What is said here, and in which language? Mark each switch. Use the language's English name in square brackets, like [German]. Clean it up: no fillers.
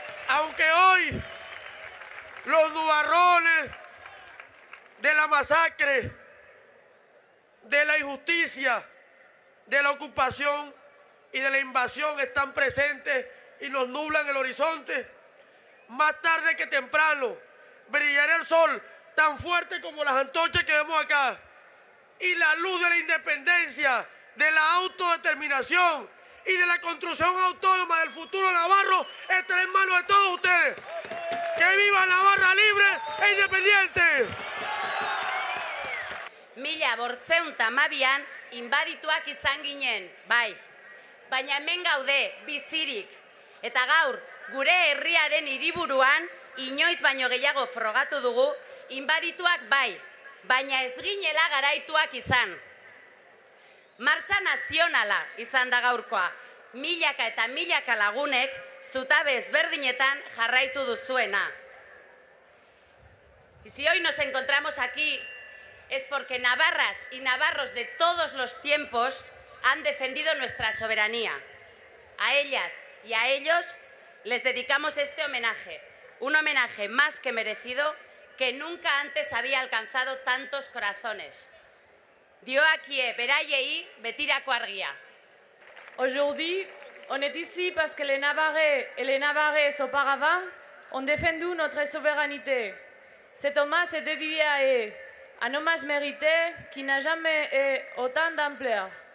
[Spanish] Aunque hoy los nubarrones de la masacre, de la injusticia, de la ocupación y de la invasión están presentes y nos nublan el horizonte, más tarde que temprano brillará el sol tan fuerte como las antorchas que vemos acá. Y la luz de la independencia, de la autodeterminación y de la construcción autónoma del futuro navarro estará en manos de todos ustedes. ¡Que viva Navarra libre e independiente! [Basque] Mila bortzeun tamabian inbadituak izan ginen, bai. Baina hemen gaude, bizirik. Eta gaur, gure herriaren hiriburuan, inoiz baino gehiago frogatu dugu, inbadituak bai, baina ez ginela garaituak izan. Martxa nazionala izan da gaurkoa, milaka eta milaka lagunek zutabe ezberdinetan jarraitu duzuena. [Spanish] Y si hoy nos encontramos aquí es porque navarras y navarros de todos los tiempos han defendido nuestra soberanía. A ellas y a ellos les dedicamos este homenaje, un homenaje más que merecido que nunca antes había alcanzado tantos corazones. [Basque] Dio aquí beraiei betirako argia. [French] Aujourd'hui, on est ici parce que les Navarrais et les Navarraises auparavant ont défendu notre souveraineté. Cet hommage est dédié à eux, un hommage mérité qui n'a jamais eu autant d'ampleur.